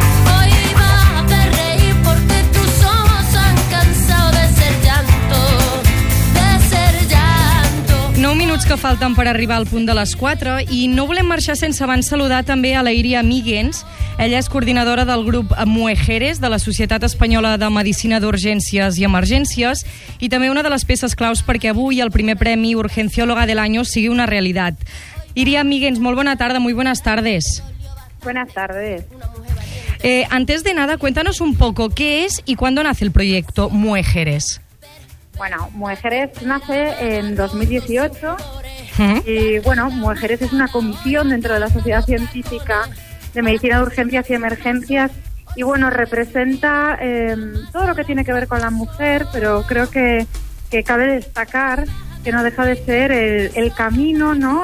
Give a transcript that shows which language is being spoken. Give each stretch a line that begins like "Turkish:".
Spanish: Hoy va a hacer reír porque tus ojos se han cansado de ser llanto, de ser llanto.
Catalan: 9 minuts que falten per arribar al punt de les 4 i no volem marxar sense abans saludar també a la Iria Miguens. Ella és coordinadora del grup Mujeres de la Societat Espanyola de Medicina d'Urgències i Emergències i també una de les peces claus perquè avui el primer premi Urgencióloga de l'Any sigui una realitat. Iria Miguens, molt bona tarda,
Spanish: muy buenas tardes. Buenas tardes. Antes de nada, cuéntanos un poco qué es y cuándo nace el proyecto Mujeres. Bueno, Mujeres nace en 2018 y bueno, Mujeres es una comisión dentro de la sociedad científica de medicina de urgencias y emergencias, y bueno, representa todo lo que tiene que ver con la mujer, pero creo que cabe destacar que no deja de ser el camino, ¿no?